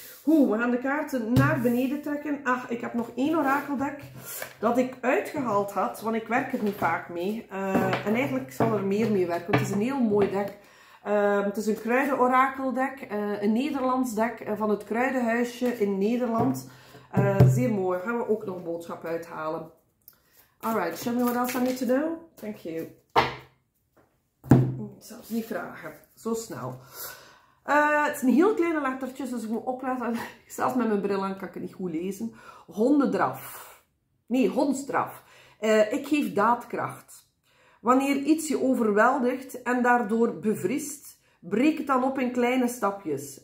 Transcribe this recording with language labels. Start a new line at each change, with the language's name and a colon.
Dutch: Goed, we gaan de kaarten naar beneden trekken. Ach, ik heb nog één orakeldek dat ik uitgehaald had, want ik werk er niet vaak mee. En eigenlijk zal er meer mee werken, want het is een heel mooi dek. Het is een kruidenorakeldek, een Nederlands dek van het Kruidenhuisje in Nederland. Zeer mooi, gaan we ook nog een boodschap uithalen.
English: Alright, show me what else I need to do. Thank you.
Dutch: Zelfs niet vragen, zo snel. Het zijn heel kleine lettertjes, dus ik moet opletten. Zelfs met mijn bril aan kan ik het niet goed lezen. Hondendraf. Nee, hondsdraf. Ik geef daadkracht. Wanneer iets je overweldigt en daardoor bevriest, breek het dan op in kleine stapjes.